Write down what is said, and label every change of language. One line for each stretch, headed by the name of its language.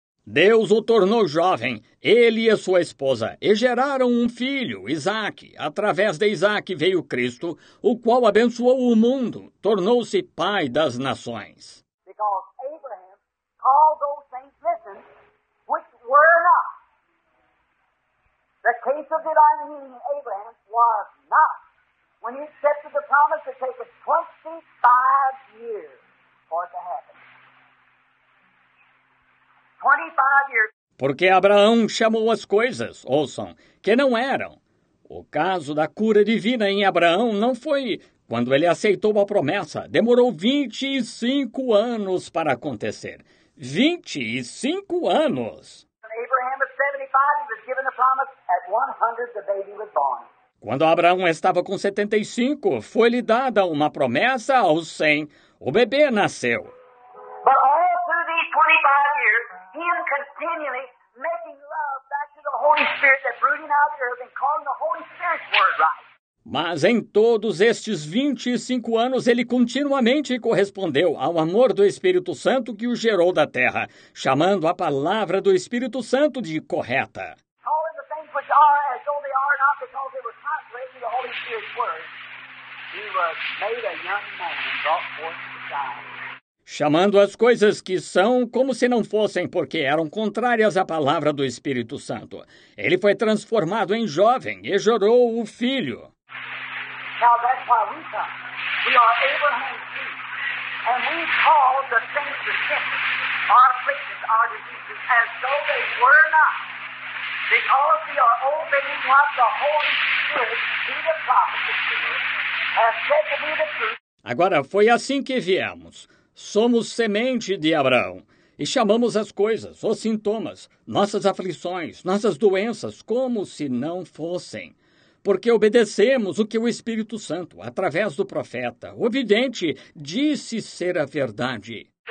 Portuguese: Deus o tornou jovem, ele e sua esposa, e geraram um filho, Isaac. Através de Isaac veio Cristo, o qual abençoou o mundo, tornou-se pai das nações.
English: Because Abraham called those things, listen, which were not. The case of divine meaning Abraham was not. When he accepted the promise, it took 25 years for it to happen. 25 years.
Portuguese: Porque Abraão chamou as coisas, ouçam, que não eram. O caso da cura divina em Abraão não foi quando ele aceitou a promessa. Demorou 25 anos para acontecer. 25 anos.
English: When Abraham was 75, he was given the promise. At 100, the baby was born.
Portuguese: Quando Abraão estava com 75, foi-lhe dada uma promessa aos 100. O bebê nasceu.
English: But all through these 25 years, him continually making love back to the Holy Spirit that brooding out the earth and calling the Holy Spirit's word right.
Portuguese: Mas em todos estes 25 anos, ele continuamente correspondeu ao amor do Espírito Santo que o gerou da terra, chamando a palavra do Espírito Santo de correta.
English: Calling the things which are as though they are not because they were contrary to the Holy Spirit's word, he was made a young man and brought forth to die.
Portuguese: Chamando as coisas que são como se não fossem, porque eram contrárias à palavra do Espírito Santo. Ele foi transformado em jovem e gerou o filho.
English: Now that's why we come. We are Abraham's seed. And we call the things of sickness, our afflictions, our diseases, as though they were not. Because we are obeying what the Holy Spirit, through the prophet, has said to be the truth.
Portuguese: Agora, foi assim que viemos. Somos semente de Abraão. E chamamos as coisas, os sintomas, nossas aflições, nossas doenças, como se não fossem. Porque obedecemos o que o Espírito Santo, através do profeta, o vidente, disse ser a verdade.